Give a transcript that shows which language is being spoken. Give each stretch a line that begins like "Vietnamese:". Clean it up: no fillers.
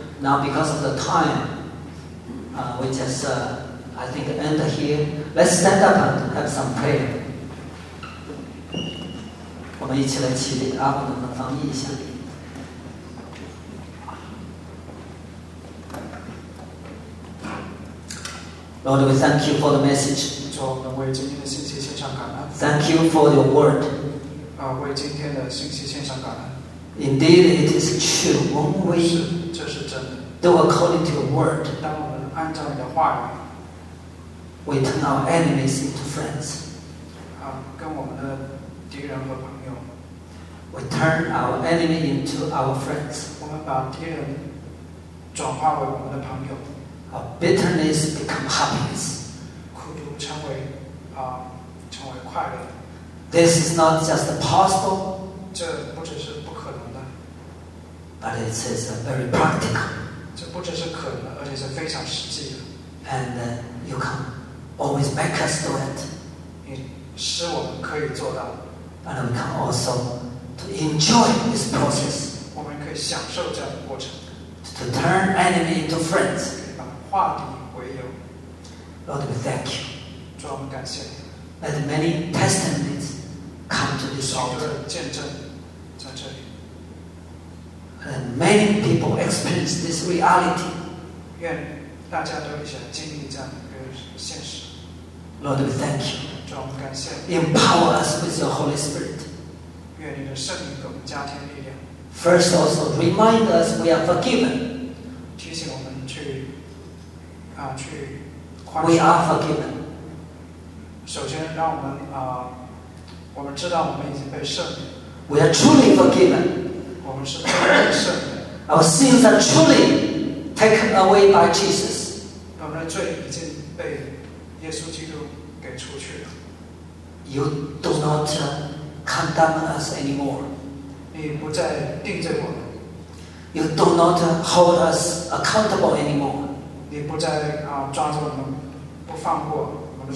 English: Now, because of the time, we just, I think, end here. Let's stand up and have some prayer.
Chinese: 我们一起来起立，阿布能不能翻译一下？
English: Lord, we thank you for the message.
Chinese: 主，我们为今天的信息献上感恩。
English: Thank you for your word.
Chinese: 啊，为今天的信息献上感恩。
English: Indeed, it is true.
Chinese: 我们为是，这是真的。
English: Though according to your word,
Chinese: 当我们按照你的话语
English: ，we turn our enemies into friends.
Chinese: 啊，跟我们的敌人和朋友
English: ，we turn our enemy into our friends.
Chinese: 我们把敌人转化为我们的朋友。
English: Our bitterness becomes happiness.
Chinese: 苦毒成为成为快乐。
English: This is not just possible.
Chinese: 这不只是不可能的。
English: But it is very practical.
Chinese: 这不只是可能的，而且是非常实际的。
English: And you can always make us do it.
Chinese: 你使我们可以做到。
English: And we can also to enjoy this process.
Chinese: 我们可以享受这样的过程。
English: To turn enemy into friends.
Chinese: 化敌为友
English: Lord, we thank you.
Chinese: 主，我们感谢你。
English: Let many testimonies come to this altar.
Chinese: 好多见证在这里。
English: And many people experience this reality.
Chinese: 愿大家都有些经历这样的现实。
English: Lord, we thank you.
Chinese: 主，我们感谢你。
English: Empower us with your Holy Spirit.
Chinese: 愿你的圣灵给我们加添力量。
English: First, also remind us we are forgiven.
Chinese: 提醒我们去。去宽恕。
English: We are forgiven.
Chinese: 首先让我们我们知道我们已经被赦免。
English: We are truly forgiven.
Chinese: 我们是真的被赦免。
English: Our sins are truly taken away by Jesus.
Chinese: 我们的罪已经被耶稣基督给除去了。
English: You do not condemn us anymore.
Chinese: 你不再定罪我们。
English: You do not hold us accountable anymore.
Chinese: 你不再抓着我们不放过我们。